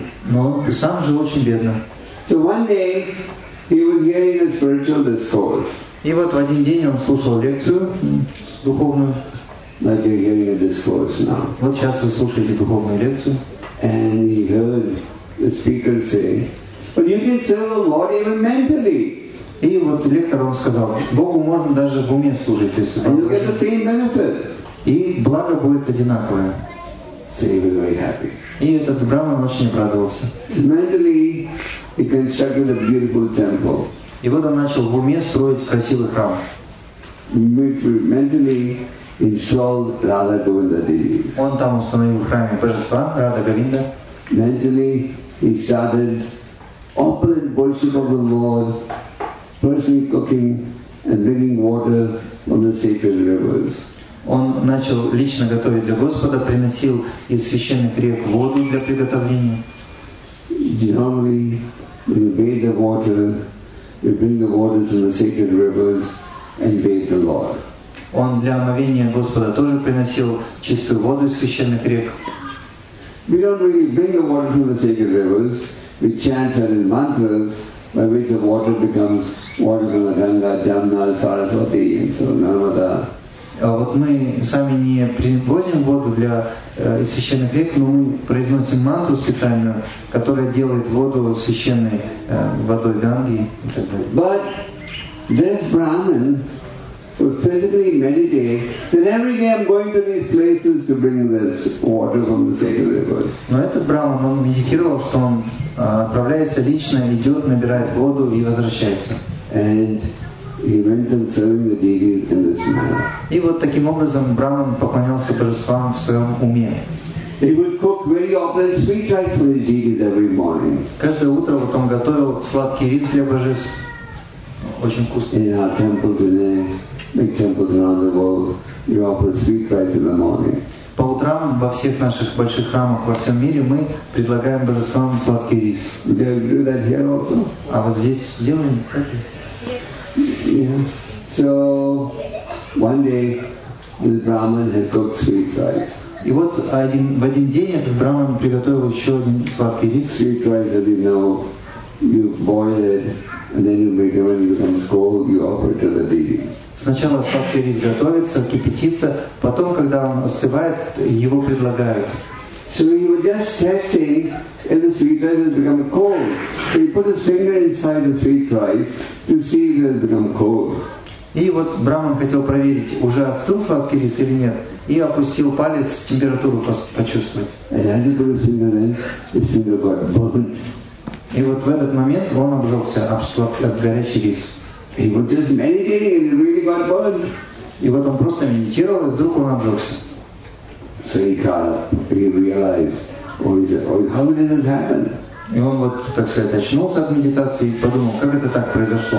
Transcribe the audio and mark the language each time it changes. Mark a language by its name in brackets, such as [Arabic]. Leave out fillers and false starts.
[Russian] Но он сам жил очень бедно. [English] So one day he was hearing a spiritual discourse. [Russian] И вот в один день он слушал лекцию духовную. [English] Like you're hearing a discourse now. [Russian] Вот сейчас вы слушаете духовную лекцию. [English] And he heard the speaker say, but you can serve the Lord even mentally. [Russian] И вот лектор вам сказал, Богу можно даже в уме служить. [English] And you'll get the same benefit. [Russian] И благо будет одинаковое. [English] So he was very happy. [Russian] И этот Брахман очень обрадовался. [English] So mentally he constructed a beautiful temple. [Russian] И вот он начал в уме строить красивый храм. [English] Mentally installed Radha Govinda Devi. [Russian] Он там установил в храме божества Радха Говинда. [English] Mentally he started open worship of the Lord, personally cooking and bringing water from the sacred rivers. [Russian] Он начал лично готовить для Господа, приносил из священных рек воду для приготовления. [English] Generally, we bathe the water, we bring the water from the sacred rivers and bathe the Lord. [Russian] Он для омовения Господа тоже приносил чистую воду из священных рек. [English] We don't really bring the water from the sacred rivers. We chant certain mantras by which the water becomes water from the Ganga, Jamna, Saraswati, and so on. [Russian] А вот мы сами не производим воду для священных рек, но мы произносим мантру специальную, которая делает воду священной водой Ганги и так далее. [English] But this Brahmin would physically meditate that every day I'm going to these places to bring this water from the sacred river. [Russian] Но этот Брахман, он медитировал, что он отправляется лично, идет, набирает воду и возвращается. [English] And he went and served the deities in this manner. [Russian] И вот таким образом Брахман поклонялся божествам в своем уме. [English] He would cook very opulent sweet rice for the deities every morning. [Russian] Каждое утро вот он готовил сладкий рис для божеств. Очень вкусный. [English] In our temples in there, big temples around the world, you offer sweet rice in the morning. [Russian] По утрам во всех наших больших храмах во всем мире мы предлагаем божествам сладкий рис. [English] Do you do that here also? [Russian] А вот здесь делаем? [English] Yeah. So one day this Brahmin had cooked sweet rice. [Russian] И вот один в один день этот Брахман приготовил еще один сладкий рис. [English] Sweet rice, as you know, you boil it and then you make it when it becomes cold, you offer it to the deity. [Russian] Сначала сладкий рис готовится, кипятится, потом, когда он остывает, его предлагают. [English] So you were just testing if the sweet rice has become cold. So you put a finger inside the sweet rice to see if it has become cold. [Russian] И вот Брахман хотел проверить, уже остыл сладкий рис или нет, и опустил палец, температуру почувствовать. [English] And I put a finger in, his finger got burnt. [Russian] И вот в этот момент он обжегся об сладкий, об горячий рис. [English] He was just meditating and it really got burnt. [Russian] И вот он просто медитировал, и вдруг он обжегся. [English] So he got, he realized, oh, he said, oh, how did this happen? [Russian] И он вот, так сказать, очнулся от медитации и подумал, как это так произошло?